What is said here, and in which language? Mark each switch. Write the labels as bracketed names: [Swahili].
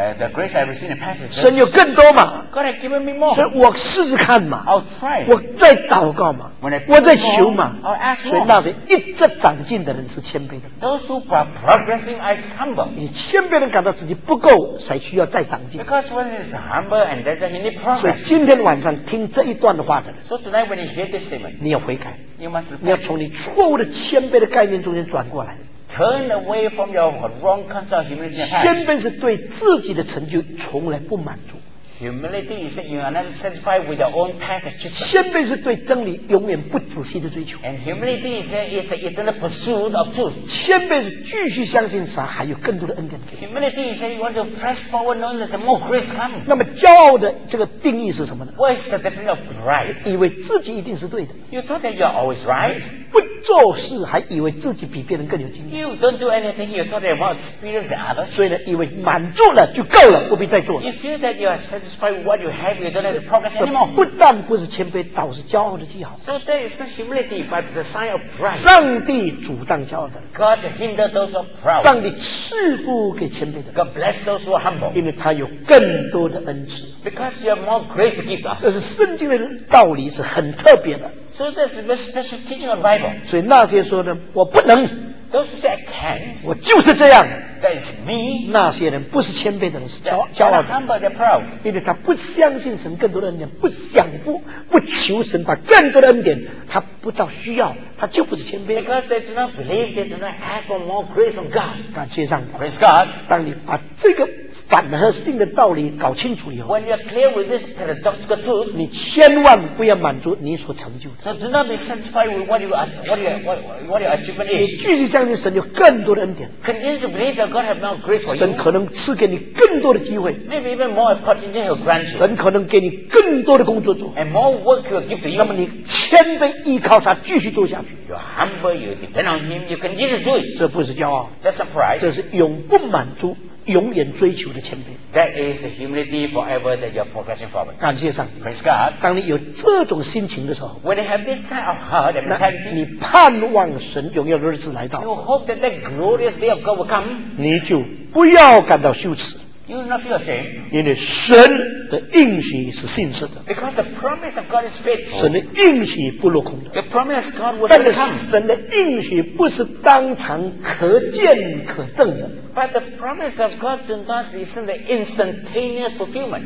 [English] the grace I received in the past [Chinese] 神有更多嘛 [English] God has given me more. [Chinese] 所以我试试看嘛 [English] I'll try. [Chinese] 我在祷告嘛 [English] When I pray [Chinese] 我在求嘛 [English] I'll ask more. [Chinese] 所以那些一直长进的人是谦卑的 [English] Those who are progressing are humble. [Chinese] 你谦卑的人感到自己不够才需要再长进 [English] Because one is humble and that's why he needs progress. [Chinese] 所以今天晚上听这一段的话的人 [English] So tonight when you hear this statement [Chinese] 你要悔改 [English] You must repent. [Chinese] 你要从你错误的谦卑的概念中间转过来 [English] Turn away from your wrong concept of humility. [Chinese] 谦卑是对自己的成就从来不满足 [English] Humility is that you are not satisfied with your own past achievement. [Chinese] 谦卑是对真理永远不仔细的追求。 [English] And humility is that is the eternal pursuit of truth. [Chinese] 谦卑是继续相信神还有更多的恩典。 [English] Humility is that you want to press forward knowing that more grace comes. [Chinese] 那么骄傲的这个定义是什么呢 [English] ？What is the definition of pride? [Chinese] 以为自己一定是对的。 [English] You thought that you are always right. [Chinese] 不做事，还以为自己比别人更有经验。 [English] You don't do anything, you thought you're more experienced than others. [Chinese] 所以呢，以为满足了就够了，不必再做了。 [English] You feel that you are satisfied with what you have, you don't have to progress anymore. [Chinese] 不但不是谦卑，倒是骄傲的记号。 [English] So that is not humility, but the sign of pride. [Chinese] 上帝阻挡骄傲的。 [English] God hinder those who are proud. [Chinese] 上帝赐福给谦卑的。 [English] God bless those who are humble. [Chinese] 因为他有更多的恩赐。 [English] Because you have more grace to give us. [Chinese] 这是圣经的道理，是很特别的。 [English] So this is a special teaching of the Bible. [Chinese] 所以那些说呢，我不能。 [English] Those say I can't. [Chinese] 我就是这样。 [English] That is me. [Chinese] 那些人不是谦卑的人，是骄傲的。 [English] They're humble, they're proud. [Chinese] 因为他不相信神更多的恩典，不想付，不求神把更多的恩典，他不到需要，他就不是谦卑。 [English] Because they do not believe, they do not ask for more grace from God. [Chinese] 感谢上帝。 [English] Praise God. [Chinese] 当你把这个反合性的道理搞清楚以后， [English] When you are clear with this paradoxical truth, [Chinese] 你千万不要满足你所成就的。 [English] So do not be satisfied with what your achievement is. [Chinese] 你继续相信神有更多的恩典。 [English] Continue to believe that God has more grace for you. [Chinese] 神可能赐给你更多的机会。 [English] Maybe even more opportunity He'll grant you. [Chinese] 神可能给你更多的工作做。 [English] And more work He'll give to you. [Chinese] 那么你谦卑依靠他继续做下去。 [English] You are humble, you depend on Him, you continue to do it. [Chinese] 这不是骄傲。 [English] That's a pride. [Chinese] 这是永不满足。永远追求的谦卑。 [English] That is the humility forever that you're progressing forward. [Chinese] 感谢上帝。 [English] Praise God. [Chinese] 当你有这种心情的时候， [English] When you have this kind of heart and mentality, [Chinese] 你盼望神荣耀的日子来到。 [English] You hope that that glorious day of God will come. [Chinese] 你就不要感到羞耻。 [English] You will not feel ashamed. [Chinese] 因为神的应许是信实的。 [English] Because the promise of God is faithful. [Chinese] 神的应许不落空的。 [English] The promise of God will never come. [Chinese] 神的应许不是当场可见可证的。 [English] But the promise of God do not listen to instantaneous fulfillment.